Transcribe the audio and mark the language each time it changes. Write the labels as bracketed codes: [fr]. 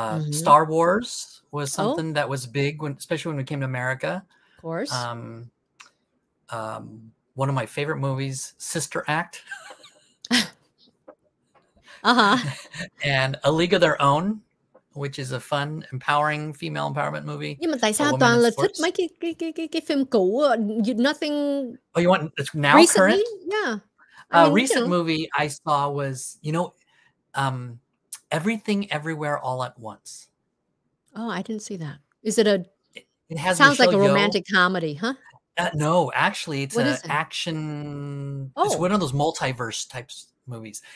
[en] Star Wars was something that was big, especially when we came to America. Of course, one of my favorite movies, Sister Act. And A League of Their Own, which is a fun, empowering, female empowerment movie. [vi] Nhưng mà tại sao toàn là thích mấy cái phim cũ? [en] Nothing. Oh, you want it's now recently? Current? Yeah. A recent movie I saw was, you know, Everything Everywhere All at Once. Oh, I didn't see that. Is it a? It has sounds like a romantic comedy, huh? No, actually, it's an action. Oh. It's one of those multiverse types movies.